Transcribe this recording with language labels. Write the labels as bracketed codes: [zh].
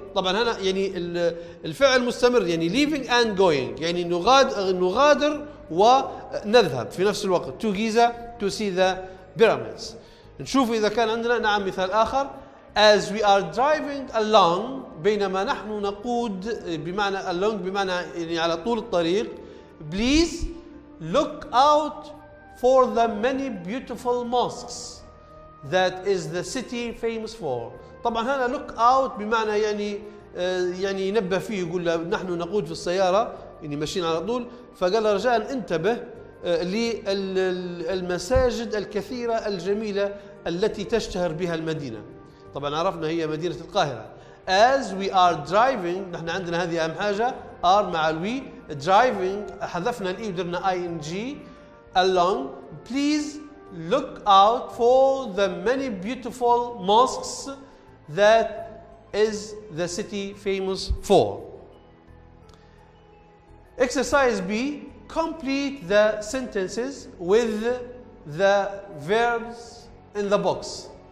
[ar] طبعا هنا يعني الفعل مستمر يعني [en] leaving and going، [ar] يعني نغادر ونذهب في نفس الوقت. [en] To Giza to see the pyramids. [ar] نشوف إذا كان عندنا، نعم مثال آخر. [en] As we are driving along، [ar] بينما نحن نقود، بمعنى along بمعنى يعني على طول الطريق. [en] Please look out for the many beautiful mosques that is the city famous for. [ar] طبعا هنا look out بمعنى يعني ينبه فيه، يقول له نحن نقود في السيارة يعني ماشيين على طول، فقال له رجاء انتبه للمساجد الكثيرة الجميلة التي تشتهر بها المدينة. طبعا عرفنا هي مدينة القاهرة. [en] As we are driving، [ar] نحن عندنا هذه أهم حاجة، are مع الوي، driving حذفنا الإي ودرنا ING along. [en] Please look out for the many beautiful mosques that is the city famous for. Exercise B: complete the sentences with the verbs in the box.